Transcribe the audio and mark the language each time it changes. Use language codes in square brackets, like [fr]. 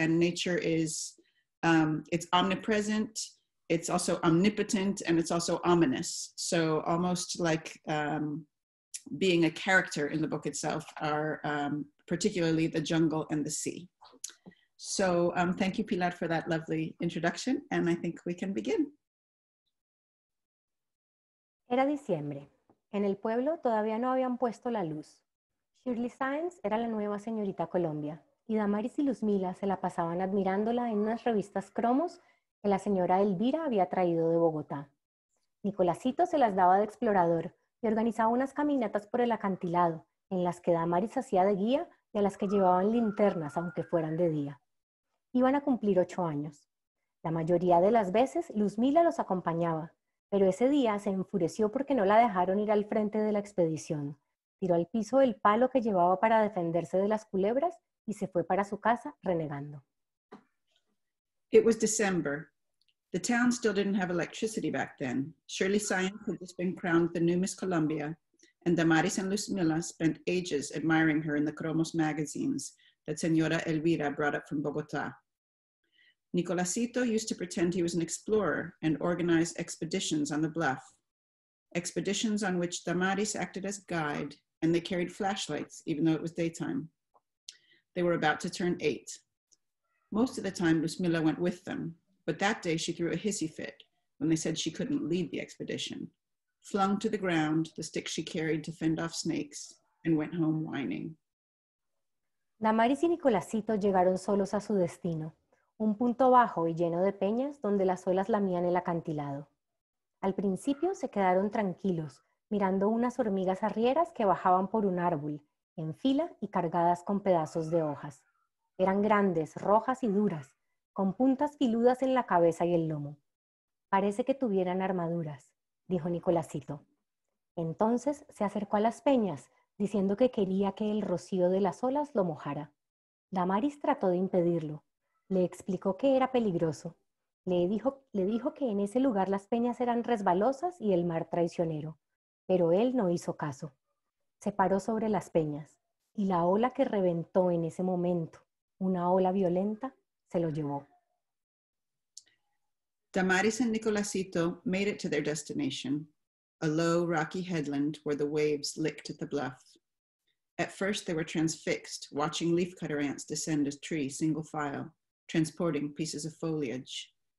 [en] And nature is, it's omnipresent, it's also omnipotent, and it's also ominous. So almost like being a character in the book itself are particularly the jungle and the sea. So thank you, Pilar, for that lovely introduction, and I think we can begin. [es] Era diciembre. En el pueblo todavía no habían puesto la luz. Shirley Sainz era la nueva señorita Colombia y Damaris y Luzmila se la pasaban admirándola en unas revistas cromos que la señora Elvira había traído de Bogotá. Nicolasito se las daba de explorador y organizaba unas caminatas por el acantilado en las que Damaris hacía de guía y a las que llevaban linternas aunque fueran de día. Iban a cumplir 8 años. La mayoría de las veces Luzmila los acompañaba. Pero ese día se enfureció porque no la dejaron ir al frente de la expedición. Tiró al piso el palo que llevaba para defenderse de las culebras y se fue para su casa renegando. [en] It was December. The town still didn't have electricity back then. Shirley Sainz had just been crowned the new Miss Colombia, and Damaris and Luzmila spent ages admiring her in the cromos magazines that Señora Elvira brought up from Bogotá. Nicolasito used to pretend he was an explorer and organize expeditions on the bluff, expeditions on which Damaris acted as guide, and they carried flashlights, even though it was daytime. They were about to turn 8. Most of the time, Luzmila went with them, but that day she threw a hissy fit when they said she couldn't lead the expedition, flung to the ground the stick she carried to fend off snakes, and went home whining. [es] Damaris y Nicolasito llegaron solos a su destino. Un punto bajo y lleno de peñas donde las olas lamían el acantilado. Al principio se quedaron tranquilos, mirando unas hormigas arrieras que bajaban por un árbol, en fila y cargadas con pedazos de hojas. Eran grandes, rojas y duras, con puntas filudas en la cabeza y el lomo. Parece que tuvieran armaduras, dijo Nicolasito. Entonces se acercó a las peñas, diciendo que quería que el rocío de las olas lo mojara. Damaris trató de impedirlo. Le explicó que era peligroso. Le dijo que en ese lugar las peñas eran resbalosas y el mar traicionero. Pero él no hizo caso. Se paró sobre las peñas y la ola que reventó en ese momento, una ola violenta, se lo llevó. [en] Damaris and Nicolasito made it to their destination, a low rocky headland where the waves licked at the bluff. At first they were transfixed, watching leafcutter ants descend a tree single file, transporting pieces of foliage.